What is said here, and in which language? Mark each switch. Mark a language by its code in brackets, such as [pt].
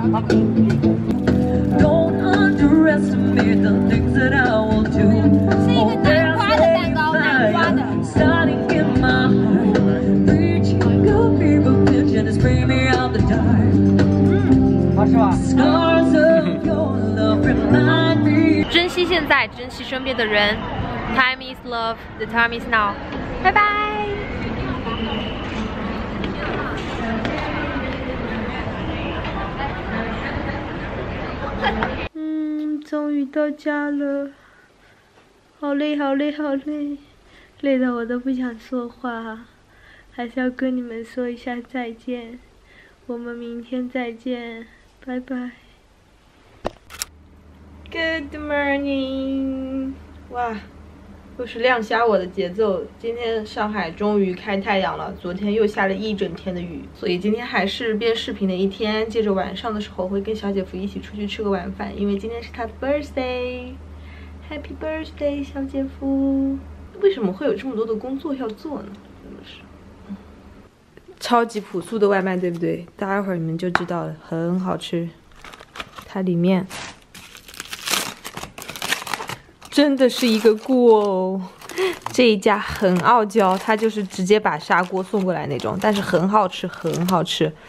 [en] Don't underestimate the things that I will do. [zh] 是一个南瓜的蛋糕，南瓜的。 [en] Starting in my heart, reaching a fever pitch and it's bringing me out the dark. [zh] 好吃吧？ [en] Scars of your love remind me. [zh] 珍惜现在，珍惜身边的人。 [en] Time is love, the time is now. [zh] 拜拜。终于到家了，好累好累好累，累得我都不想说话，还是要跟你们说一下再见，我们明天再见，拜拜。 [en] Good morning。 [zh] 哇，又是亮瞎我的节奏。今天上海终于开太阳了，昨天又下了一整天的雨，所以今天还是变视频的一天。接着晚上的时候会跟小姐夫一起出去吃个晚饭，因为今天是他的 birthday。 [en] Happy birthday 小姐夫。 [zh] 为什么会有这么多的工作要做呢？真的是超级朴素的外卖，对不对？待会儿你们就知道了，很好吃。它里面真的是一个锅哦，这一家很傲娇，他就是直接把砂锅送过来那种，但是很好吃，很好吃。